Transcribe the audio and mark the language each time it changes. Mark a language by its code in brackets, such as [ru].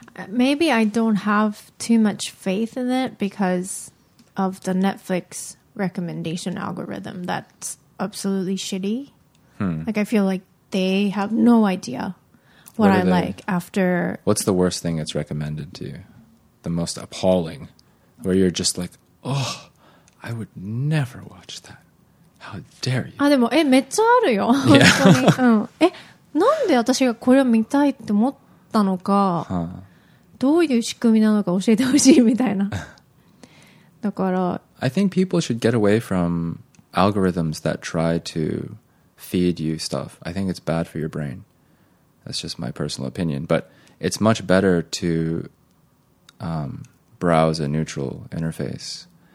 [en] maybe I don't have too much faith in it because of the Netflix recommendation algorithm that's absolutely shitty. Like, I feel like they have no idea what I like after... What's the worst thing it's recommended to you? The most appalling? Where you're just like, oh, I would never watch that. How dare you? [ja] あ、でも、え、めっちゃあるよ。本当に。うん。え、なんで私がこれを見たいって思ったのか、どういう仕組みなのか教えてほしいみたいな。だから、 [en] I think people should get away from algorithms that try to feed you stuff. I think it's bad for your brain. That's just my personal opinion. But it's much better to browse a neutral interface.